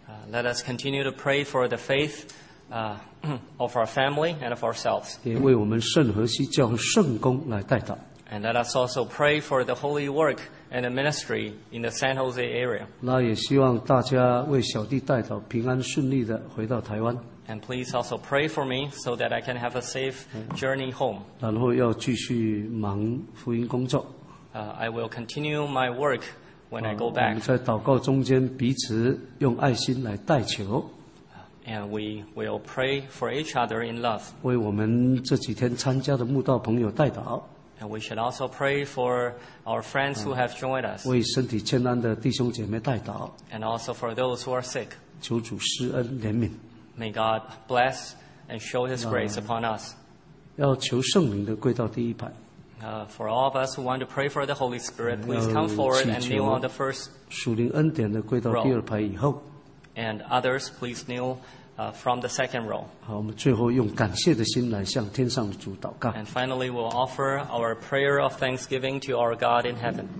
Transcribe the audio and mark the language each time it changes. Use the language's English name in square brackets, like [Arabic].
[English] Let us continue to pray for the faith of our family and of ourselves. [Chinese] 也为我们圣何西教会圣工来代祷。 [English] And let us also pray for the holy work and the ministry in the San Jose area. [Chinese] 那也希望大家为小弟代祷，平安顺利的回到台湾。 [English] And please also pray for me so that I can have a safe journey home. [Chinese] 然后要继续忙福音工作。 [English] I will continue my work when I go back. [Chinese] 我们在祷告中间彼此用爱心来代求。 [English] And we will pray for each other in love. [Chinese] 为我们这几天参加的慕道朋友代祷。 [English] And we should also pray for our friends who have joined us. [Chinese] 为身体健康的弟兄姐妹代祷。 [English] And also for those who are sick. [Chinese] 求主施恩怜悯。 [English] May God bless and show His grace upon us. [Chinese] 要求圣灵的归到第一排。 [English] For all of us who want to pray for the Holy Spirit, please come forward and kneel on the first row. [Chinese] 属灵恩典的归到第二排以后。 [English] And others, please kneel from the second row. [Chinese] 好，我们最后用感谢的心来向天上的主祷告。 [English] And finally, we'll offer our prayer of thanksgiving to our God in heaven.